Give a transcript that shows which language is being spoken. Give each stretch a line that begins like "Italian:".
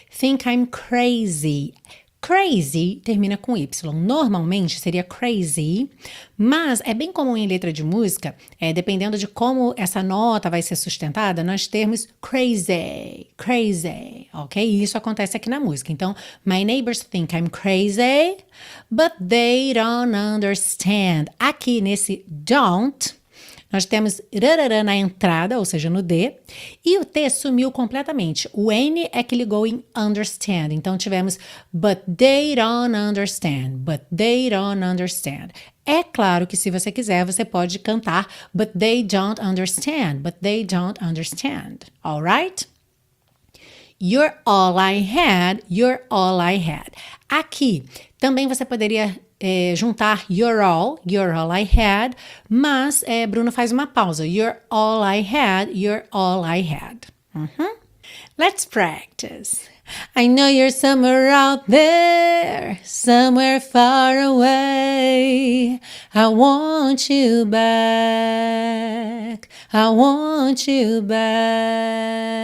English: Think I'm crazy. Crazy
Portuguese: termina com Y. Normalmente seria crazy, mas é bem comum em letra de música, dependendo de como essa nota vai ser sustentada, nós termos crazy, ok? E isso acontece aqui na música.
English: Então, my neighbors think I'm crazy, but they don't understand.
Portuguese: Aqui nesse don't, nós temos rarara na entrada, ou seja, no D, e o T sumiu completamente. O N é que ligou em understand. Então, tivemos
English: but they don't understand, but they don't understand.
Portuguese: É claro que se você quiser, você pode cantar
English: but they don't understand, but they don't understand. All right? You're all I had, you're all I had.
Portuguese: Aqui, também você poderia juntar
English: you're all I had,
Portuguese: mas Bruno faz uma pausa.
English: You're all I had, you're all I had. Uhum. Let's practice. I know you're somewhere out there, somewhere far away. I want you back, I want you back.